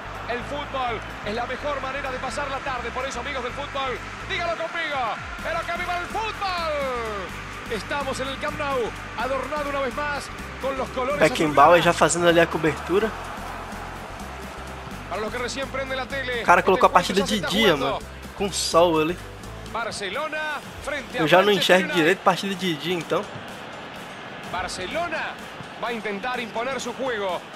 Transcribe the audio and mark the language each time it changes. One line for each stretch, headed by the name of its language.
Spanish: El fútbol es la mejor manera de pasar la tarde, por eso amigos del fútbol, dígalo conmigo, pero que viva el fútbol. Estamos en el Camp Nou, adornado una vez más con los colores. Beckenbauer ya haciendo ali a cobertura. Para los que recién prenden la tele.
Portuguese: O cara colocou a partida de dia, mano, com sol ali. Barcelona frente a. Eu já não enxergo direito partida de dia, então.
Spanish: Barcelona va a intentar imponer su juego.